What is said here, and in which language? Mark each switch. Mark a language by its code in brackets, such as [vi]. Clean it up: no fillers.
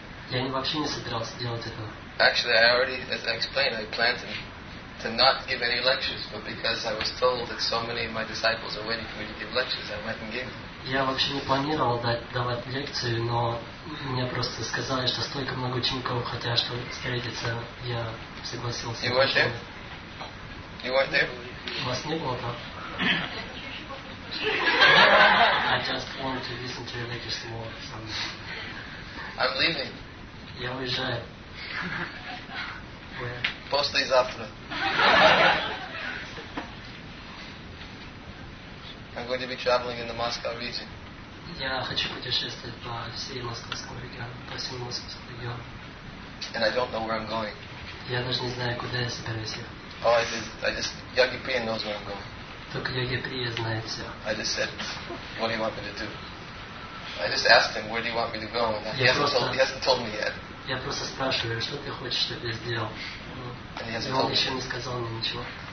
[ru] Я вообще не собирался делать это. [en] Actually, I already, as I explained, I planned to not give any lectures, but because I was told that so many of my disciples are waiting for me to give lectures, I went and gave them. [ru] Я вообще не планировал давать лекцию, но мне просто сказали, что столько много учеников хотят, чтобы встретиться, я согласился. [en] You were there? You weren't there? [ru] У вас не было там. [en] I just wanted to listen to your latest more. I'm leaving. [ru] Я уезжаю. [en] Where? [ru] Послезавтра. [en] I'm going to be traveling in the Moscow region. [ru] Я хочу путешествовать по всей Московской региону, по всему Московскому региону. [en] And I don't know where I'm going. [ru] Я даже не знаю, куда я собираюсь ехать. [en] All I did, I just, Yogi Priya knows where I'm going. [ru] Только Йоги Прия знает все. [en] I just said, what do you want me to do? I just asked him, where do you want me to go? And he hasn't told me yet. [ru] Я просто спрашиваю, что ты хочешь, чтобы я сделал? [en] And he hasn't told me. [ru] Он еще не сказал мне ничего.